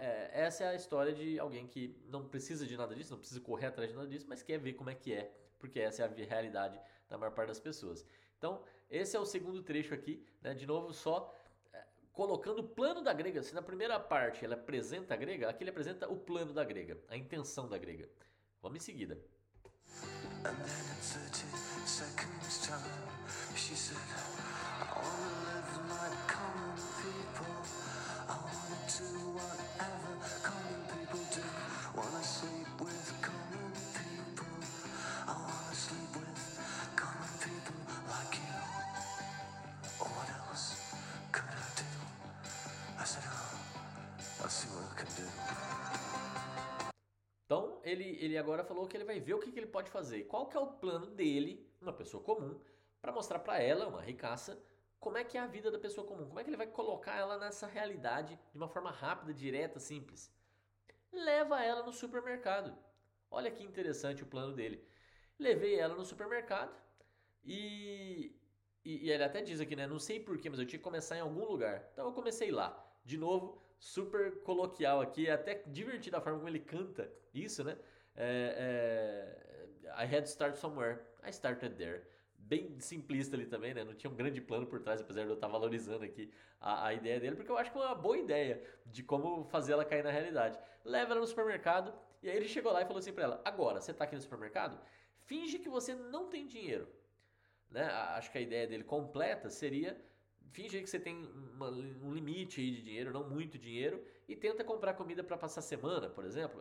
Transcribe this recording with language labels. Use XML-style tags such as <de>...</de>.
<pt>Essa é a história de alguém que não precisa de nada disso, não precisa correr atrás de nada disso, mas quer ver como é que é, porque essa é a realidade da maior parte das pessoas. Então, esse é o segundo trecho aqui, né? De novo, só colocando o plano da grega. Se na primeira parte ela apresenta a grega, aqui ele apresenta o plano da grega, a intenção da grega. Vamos em seguida.</pt> <en>And then in 30 seconds time, she said, I wanna live like common people. I wanna do whatever common people do. Wanna sleep with common people. I wanna sleep with common people like you. What else could I do? I said, oh, I'll see what I can do.</en> <pt>Então, ele agora falou que ele vai ver o que, que ele pode fazer. Qual que é o plano dele, uma pessoa comum, para mostrar para ela, uma ricaça, como é que é a vida da pessoa comum? Como é que ele vai colocar ela nessa realidade de uma forma rápida, direta, simples? Leva ela no supermercado. Olha que interessante o plano dele. Levei ela no supermercado e ele até diz aqui, né? Não sei por quê, mas eu tinha que começar em algum lugar. Então eu comecei lá. De novo, super coloquial aqui, é até divertido a forma como ele canta isso, né?</pt> <en>I had to start somewhere, I started there.</en> <pt>Bem simplista ali também, né? Não tinha um grande plano por trás, apesar de eu estar valorizando aqui a ideia dele, porque eu acho que é uma boa ideia de como fazer ela cair na realidade. Leva ela no supermercado, e aí ele chegou lá e falou assim pra ela: agora, você tá aqui no supermercado? Finge que você não tem dinheiro, né? Acho que a ideia dele completa seria: finge aí que você tem um limite aí de dinheiro, não muito dinheiro, e tenta comprar comida para passar a semana, por exemplo.</pt>